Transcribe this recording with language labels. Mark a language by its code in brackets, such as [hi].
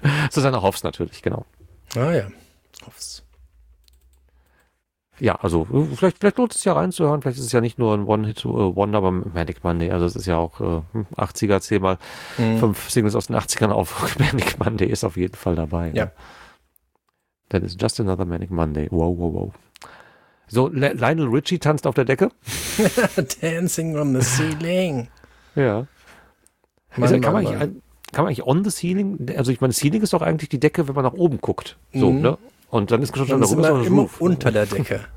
[de] Susanne Hoffs natürlich, genau. Ah ja, Hoffs. Ja, also vielleicht lohnt es ja reinzuhören, vielleicht ist es ja nicht nur ein One-Hit-Wonder, aber Manic Monday, also es ist ja auch 80er, 10x, 5 Singles aus den 80ern auf Manic Monday ist auf jeden Fall dabei. Ja. Ne? [en] That is just another Manic Monday, wow, wow, wow. [de] So, Lionel Richie tanzt auf der Decke. [en] Dancing on the ceiling. [de] Ja. Kann man eigentlich on the ceiling, also ich meine, Ceiling ist doch eigentlich die Decke, wenn man nach oben guckt. So, ne? Und dann ist man schon darüber. Immer Roof. Unter der Decke.